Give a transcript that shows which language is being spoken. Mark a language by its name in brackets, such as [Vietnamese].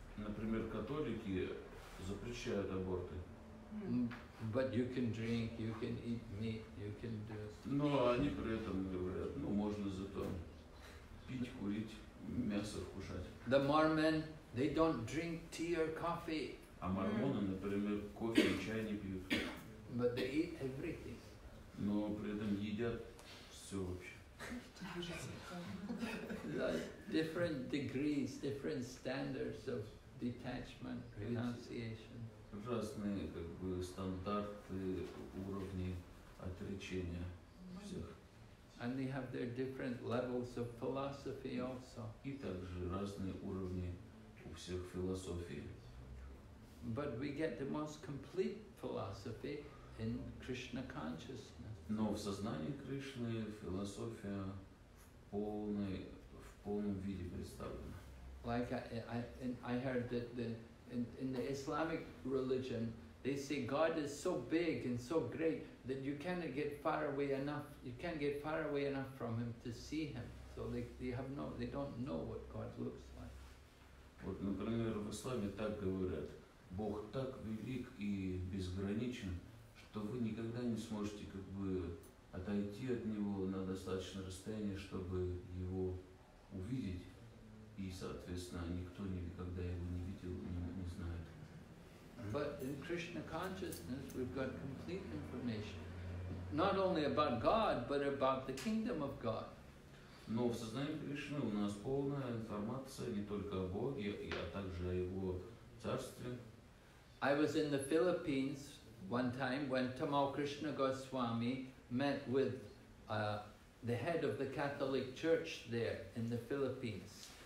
[Russian] Например, католики запрещают аборты. [English] But you can drink, you can eat meat, you can do. [Russian] Но они при этом говорят, ну можно зато пить, курить, мясо вкушать. [English] The Mormon, they don't drink tea or coffee. [Russian] А мормоны, например, кофе и чай не пьют. [English] But they eat everything. [Russian] Но при этом едят все вообще. [English] Different degrees, different standards of detachment, renunciation. [Russian] Разные как бы стандарты, уровни отречения всех. [English] And they have their different levels of philosophy also. [Russian] И также разные уровни у всех философии. [English] But we get the most complete philosophy in Krishna consciousness. [Russian] Но в сознании Кришны философия в полном виде представлена. [English] Like I heard that in the Islamic religion, they say God is so big and so great that you cannot get far away enough. You can't get far away enough from Him to see Him. So they don't know what God looks like. [Russian] Вот, например, в исламе так говорят: Бог так велик и безграничен, что вы никогда не сможете как бы отойти от Него на достаточное расстояние, чтобы Его увидеть. И, соответственно, никто никогда его не видел, не знает. [English] But in Krishna consciousness we've got complete information. Not only about God, but about the kingdom of God. [Russian] Но в сознании Кришны у нас полная информация не только о Боге, а также о Его царстве. [English] I was in the Philippines one time when Tamal Krishna Goswami met with the head of the Catholic Church there in the Philippines.